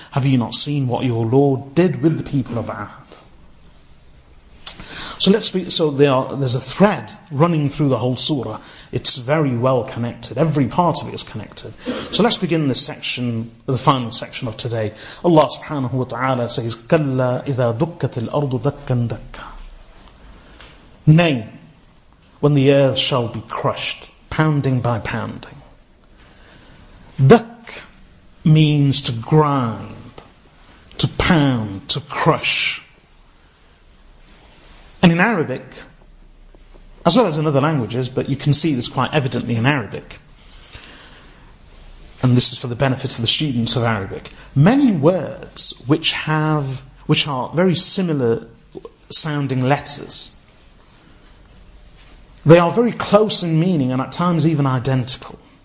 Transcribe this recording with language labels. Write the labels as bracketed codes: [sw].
[en] Have you not seen what your Lord did with the people of Aad? So there's a thread running through the whole surah. It's very well connected. Every part of it is connected. So let's begin this section, the final section of today. Allah subhanahu wa ta'ala says, [ar] كَلَّا إِذَا دُكَّتِ الْأَرْضُ دَكَّا دَكَّا. [en] Nay, when the earth shall be crushed, pounding by pounding. Duck means to grind, to pound, to crush. And in Arabic, as well as in other languages, but you can see this quite evidently in Arabic, and this is for the benefit of the students of Arabic, many words which are very similar sounding letters, they are very close in meaning and at times even identical.